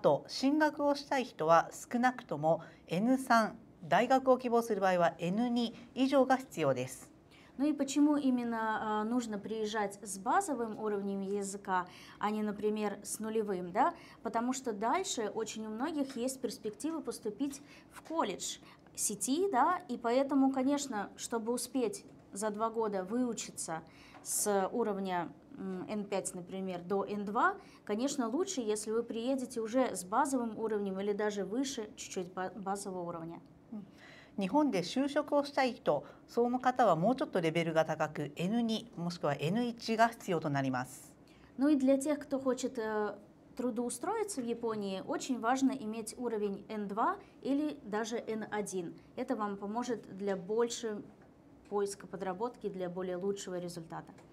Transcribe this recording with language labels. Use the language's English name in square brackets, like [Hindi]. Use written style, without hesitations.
[Japanese] はい、どうして日本語学校かと言いますと、日本語学校を卒業した後、進学をしたい人は少なくとも N3、 大学を希望する場合は N2 以上が必要です。 [Russian] Ну и почему именно нужно приезжать с базовым уровнем языка, а не, например, с нулевым, да? Потому что дальше очень у многих есть перспективы поступить в колледж сети, да? И поэтому, конечно, чтобы успеть за два года выучиться с уровня N5, например, до N2, конечно, лучше, если вы приедете уже с базовым уровнем или даже выше чуть-чуть базового уровня. [Japanese] 日本で就職をしたい人、その方はもうちょっとレベルが高く N2 もしくは N1 が必要となります。 [Russian] Ну и для тех, кто хочет трудоустроиться в Японии, очень важно иметь уровень N2 или даже N1. Это вам поможет для большего поиска подработки, для более лучшего результата.